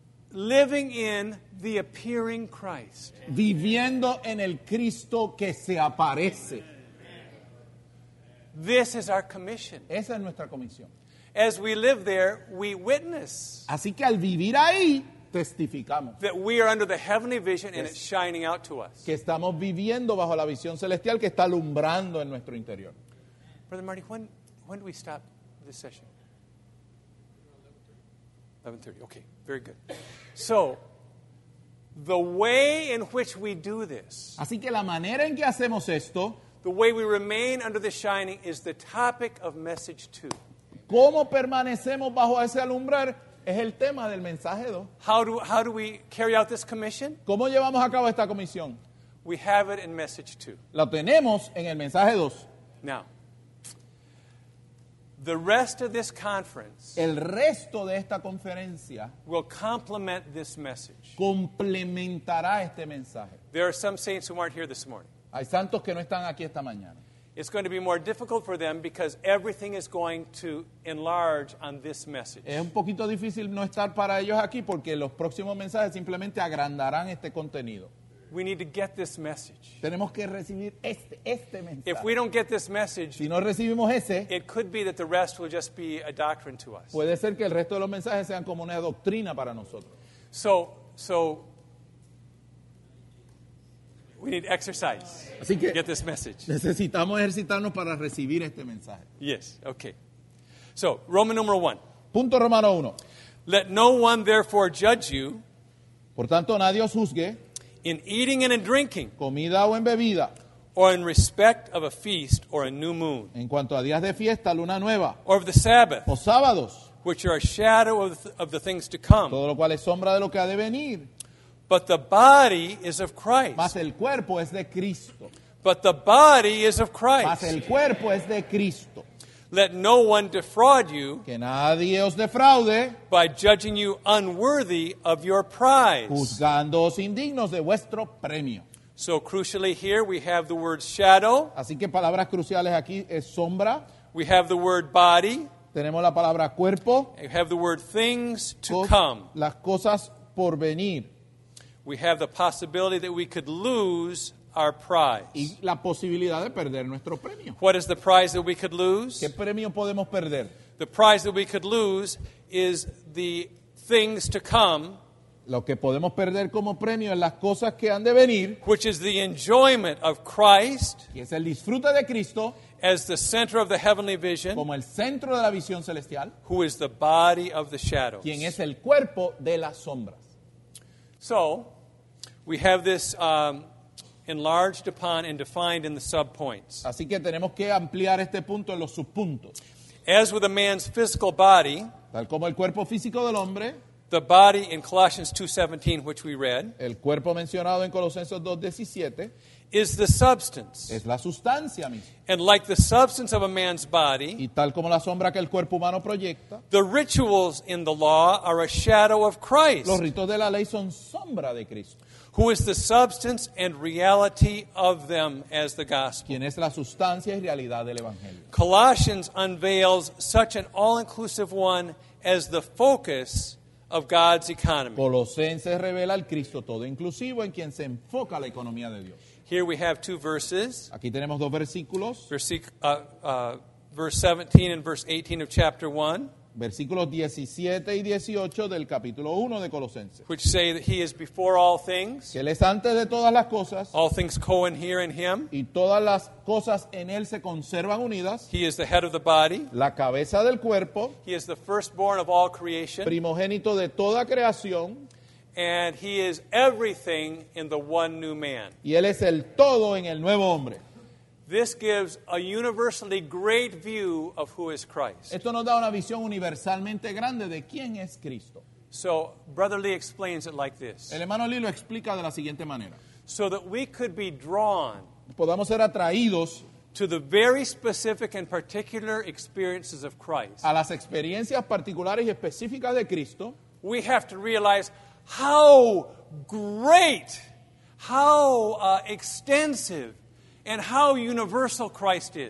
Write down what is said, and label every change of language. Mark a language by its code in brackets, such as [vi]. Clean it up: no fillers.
[en] Living in the appearing Christ. [es] Viviendo en el Cristo que se aparece. [en] This is our commission. [es] Esa es nuestra comisión. [en] As we live there, we witness. [es] Así que al vivir ahí, testificamos. [en] That we are under the heavenly vision and it's shining out to us. [es] Que estamos viviendo bajo la visión celestial que está alumbrando en nuestro interior. [en] Brother Marty, when do we stop this session? 11:30. Okay, very good. So, the way in which we do this. [es] Así que la manera en que hacemos esto. [en] The way we remain under the shining is the topic of message 2. [es] ¿Cómo permanecemos bajo ese alumbrar? Es el tema del mensaje 2. [en] How do we carry out this commission? [es] ¿Cómo llevamos a cabo esta comisión? [en] We have it in message 2. [es] Lo tenemos en el mensaje 2. [en] Now, the rest of this conference. [es] El resto de esta conferencia [en] will complement this message. [es] Complementará este mensaje. [en] There are some saints who aren't here this morning. [es] Hay santos que no están aquí esta mañana. [en] It's going to be more difficult for them because everything is going to enlarge on this message. [es] Es un poquito difícil no estar para ellos aquí porque los próximos mensajes simplemente agrandarán este contenido. [en] We need to get this message. [es] Tenemos que recibir este mensaje. [en] If we don't get this message, [es] si no recibimos ese, [en] it could be that the rest will just be a doctrine to us. [es] Puede ser que el resto de los mensajes sean como una doctrina para nosotros. [en] So we need exercise. [es] Así que [en] to get this message. [es] Necesitamos ejercitarnos para recibir este mensaje. [en] Yes, okay. So, Roman number 1. [es] Punto Romano 1. [en] Let no one therefore judge you. [es] Por tanto, nadie os juzgue. [en] In eating and in drinking. [es] Comida o en bebida. [en] Or in respect of a feast or a new moon. [es] En cuanto a días de fiesta, luna nueva. [en] Or of the Sabbath. [es] O sábados. [en] Which are a shadow of the things to come. [es] Todo lo cual es sombra de lo que ha de venir. [en] But the body is of Christ. [es] Mas el cuerpo es de Cristo. [en] But the body is of Christ. [es] Mas el cuerpo es de Cristo. [en] Let no one defraud you. [es] Que nadie os defraude. [en] By judging you unworthy of your prize. [es] Juzgándoos indignos de vuestro premio. [en] So crucially here we have the word shadow. [es] Así que palabras cruciales aquí es sombra. [en] We have the word body. [es] Tenemos la palabra cuerpo. [en] We have the word things to come. [es] Las cosas por venir. [en] We have the possibility that we could lose our prize. [es] Y la posibilidad de perder nuestro premio. [en] What is the prize that we could lose? [es] ¿Qué premio podemos perder? [en] The prize that we could lose is the things to come. [es] Lo que podemos perder como premio es las cosas que han de venir. [en] Which is the enjoyment of Christ. [es] Que es el disfrute de Cristo. [en] As the center of the heavenly vision. [es] Como el centro de la visión celestial. [en] Who is the body of the shadows. [es] Quien es el cuerpo de las sombras. [en] So, we have this enlarged upon and defined in the subpoints. [es] Así que tenemos que ampliar este punto en los subpuntos. [en] As with a man's physical body, [es] tal como el cuerpo físico del hombre, [en] the body in Colossians 2:17, which we read, [es] el cuerpo mencionado en Colosenses 2:17, [en] is the substance. [es] Es la sustancia misma. [en] And like the substance of a man's body, [es] y tal como la sombra que el cuerpo humano proyecta, [en] the rituals in the law are a shadow of Christ. [es] Los ritos de la ley son sombra de Cristo. [en] Who is the substance and reality of them as the gospel. [es] Quien es la sustancia y realidad del evangelio. [en] Colossians unveils such an all-inclusive one as the focus of God's economy. [es] Colosenses revela al Cristo todo inclusivo en quien se enfoca la economía de Dios. [en] Here we have two verses. [es] Aquí tenemos dos versículos. [en] Verse 17 and verse 18 of chapter 1. [es] Versículos 17 y 18 del capítulo 1 de Colosenses. [en] Which say that he is before all things. [es] Que él es antes de todas las cosas. [en] All things cohere in him. [es] Y todas las cosas en él se conservan unidas. [en] He is the head of the body. [es] La cabeza del cuerpo. [en] He is the firstborn of all creation. [es] Primogénito de toda creación. [en] And he is everything in the one new man. [es] Y él es el todo en el nuevo hombre. [en] This gives a universally great view of who is Christ. [es] Esto nos da una visión universalmente grande de quién es Cristo. [en] So, Brother Lee explains it like this. [es] El hermano Lee lo explica de la siguiente manera. [en] So that we could be drawn, [es] podamos ser atraídos, [en] to the very specific and particular experiences of Christ. [es] A las experiencias particulares y específicas de Cristo. [en] We have to realize how great, how extensive, and how universal Christ is.